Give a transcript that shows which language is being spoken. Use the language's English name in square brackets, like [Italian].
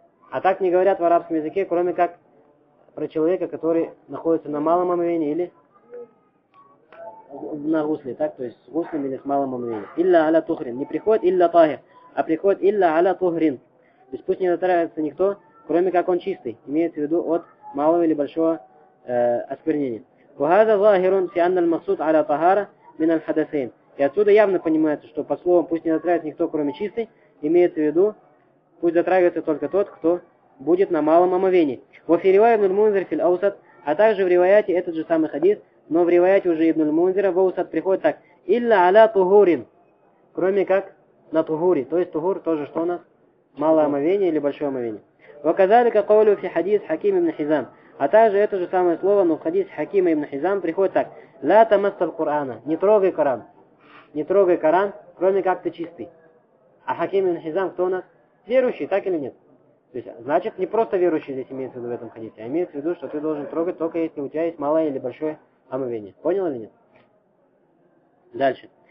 [Russian] А так не говорят в арабском языке, кроме как про человека, который находится на малом омовении или на гусле. Так, то есть с гуслем или с малым омовением. Илля аля тухрин. Не приходит илля тахир, а приходит илля аля тухрин. То есть пусть не натравится никто, кроме как он чистый. Имеется в виду от малого или большого осквернение. [Arabic] وهذا ظاهر في أن المقصود على طهارة من الحدثين. [Russian] И отсюда явно понимается, что по словам пусть не затрагивается никто, кроме чистый, имеется в виду, пусть затрагивается только тот, кто будет на малом омовении. [Arabic] وفي رواية ابن المنذر في الأوسط, [Russian] а также в ривайате этот же самый хадис, но в ривайате уже ибн аль-Мунзира в Аусат приходит так: Илля аля тухурин, кроме как на тухури. То есть тухур тоже что у нас? Малое омовение или большое омовение. [Arabic] وكذلك قوله في حديث حكيم بن حزام. [Russian] А также это же самое слово, но в хадисе Хакима ибн Хизам приходит так. [Arabic] «Ла тамассал Кур'ана». [Russian] «Не трогай Коран». «Не трогай Коран, кроме как ты чистый». А Хаким ибн Хизам кто у нас? Верующий, так или нет? То есть, значит, не просто верующий здесь имеется в виду в этом хадисе, а имеется в виду, что ты должен трогать только если у тебя есть малое или большое омовение. Понял или нет? Дальше.